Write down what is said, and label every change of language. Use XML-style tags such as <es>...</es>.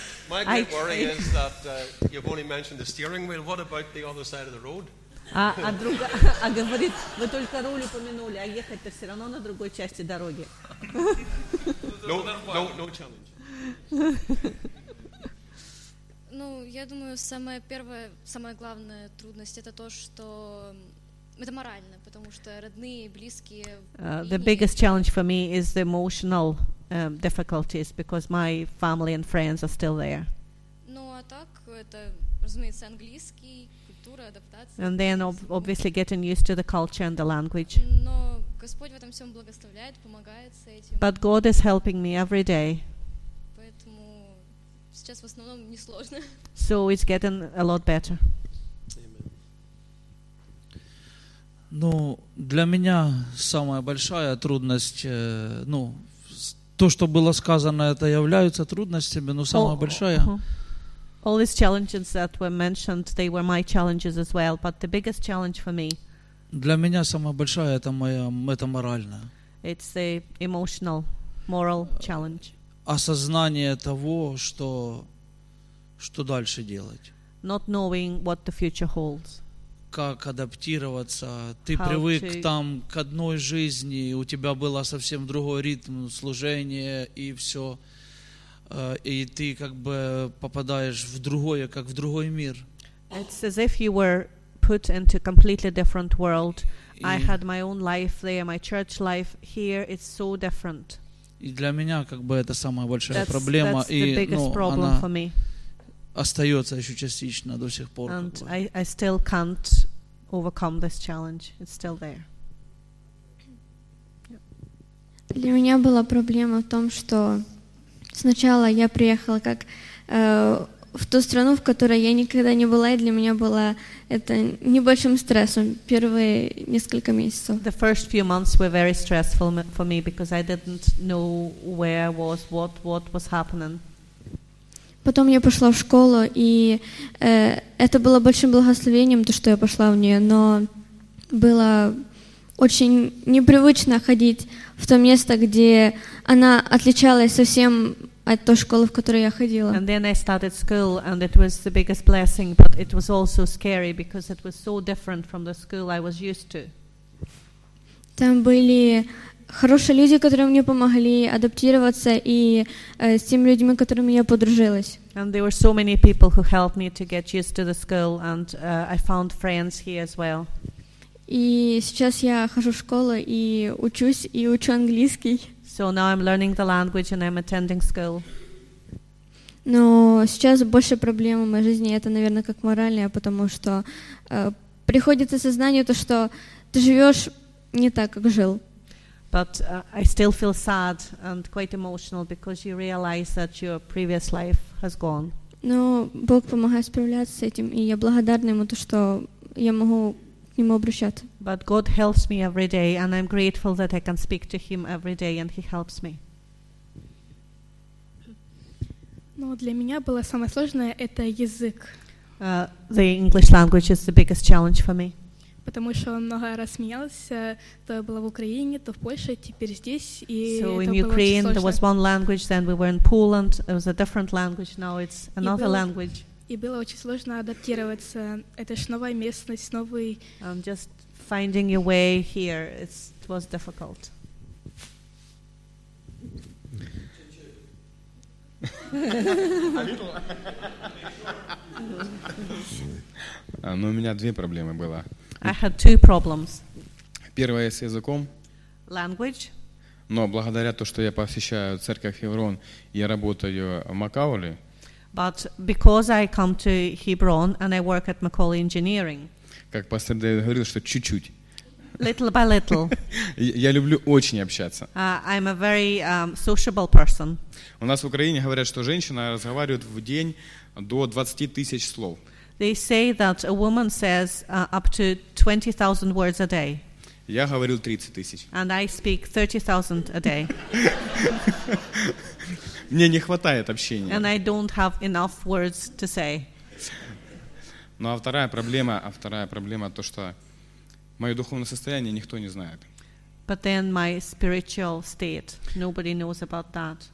<en>My great worry is that you've only mentioned the steering wheel. What about the other side of the road?</en> <ru>А говорит, вы только руль упомянули, а ехать-то все равно на другой части дороги.</ru> <en>No challenge.</en> <ru>Ну, я думаю, самая первая, самая главная трудность это то, что это морально, потому что родные, близкие.</ru> <en>The biggest challenge for me is the emotional difficulties because my family and friends are still there.</en> <ru>Ну, а так это, разумеется, английский.</ru> <en>And then obviously getting used to the culture and the language.</en> <ru>Но Господь в этом всем благословляет, помогает с этим.</ru> <en>But God is helping me every day.</en> <ru>Поэтому сейчас в основном несложно.</ru> <en>So it's getting a lot better.</en> <ru>Ну, для меня самая большая трудность, ну, то, что было сказано, это являются трудностями, но самая большая...</ru> <en>All these challenges that were mentioned, they were my challenges as well. But the biggest challenge for me...</en> <ru>Для меня самая большая, это моя, это моральная.</ru> <en>It's the emotional, moral challenge.</en> <ru>Осознание того, что, что дальше делать.</ru> <en>Not knowing what the future holds.</en> <ru>Как адаптироваться. Ты</ru> <en>How</en> <ru>привык</ru> <en>to...</en> <ru>там к одной жизни, у тебя был совсем другой ритм служения и все... И ты как бы попадаешь в другое, как в другой мир.</ru> <en>It's as if you were put into a completely different world. I had my own life there, my church life here. It's so different.</en> <ru>И для меня как бы это самая большая</ru> <en>that's,</en> <ru>проблема.</ru> <en>That's</en> <ru>и,</ru> <en>the</en> <ru>ну,</ru> <en>for me.</en> <ru>Остается еще частично до сих пор.</ru> <en>And I still can't overcome this challenge. It's still there.</en> <ru>Для меня была проблема в том, что сначала я приехала как в ту страну, в которой я никогда не была, и для меня было это небольшим стрессом первые несколько месяцев.</ru> <en>The first few months were very stressful for me because I didn't know where I was, what was happening.</en> <ru>Потом я пошла в школу, и это было большим благословением то, что я пошла в нее, но было очень непривычно ходить в то место, где она отличалась совсем от той школы, в которую я ходила.</ru> <en>And then I started school, and it was the biggest blessing, but it was also scary because it was so different from the school I was used to.</en> <ru>Там были хорошие люди, которые мне помогли адаптироваться, и с теми людьми, которыми я подружилась.</ru> <en>And there were so many people who helped me to get used to the school, and I found friends here as well.</en> <ru>И сейчас я хожу в школу и учусь, и учу английский.</ru> <en>So now I'm learning the language and I'm attending school.</en> <ru>Но сейчас больше проблем в моей жизни это, наверное, как моральная, потому что приходит осознание то, что ты живешь не так, как жил.</ru> <en>But I still feel sad and quite emotional because you realize that your previous life has gone.</en> <ru>Но Бог помогает справляться с этим, и я благодарна ему то, что я могу</ru> <en>But God helps me every day, and I'm grateful that I can speak to Him every day, and He helps me.</en> <ru>Но для меня было самое сложное это язык.</ru> <en>The English language is the biggest challenge for me.</en> <ru>Потому что он много раз менялся, то я была в Украине, то в Польше, теперь здесь, и</ru> <en>So in Ukraine there was one language, then we were in Poland, it was a different language, now it's another language.</en> <ru>И было очень сложно адаптироваться. Это ж новая местность, новый...</ru> <en>I'm just finding your way here. It was difficult.</en> <ru>Ну, у меня две проблемы было.</ru> <en>I had two problems.</en> <ru>Первая с языком.</ru> <en>Language.</en> <ru>Но благодаря то, что я посещаю церковь Хеврон, я работаю в Макауле.</ru> <en>But because I come to Hebron and I work at Macaulay Engineering,</en> <ru>как пастор Дэвид говорил, что чуть-чуть.</ru> <en>little by little.</en> <ru>Я люблю очень общаться.</ru> <en>I'm a very sociable person.</en> <ru>У нас в Украине говорят, что женщина разговаривает в день до 20 тысяч слов.</ru> <en>They say that a woman says up to 20,000 words a day.</en> <ru>Я говорю 30 тысяч.</ru> <en>And I speak 30,000 a day.</en> <ru>Мне не хватает общения.</ru> <en>And I don't have enough words to say.</en> <ru>Ну а вторая проблема то, что мое духовное состояние никто не знает.</ru> <en>But then my spiritual state, nobody knows about that.</en>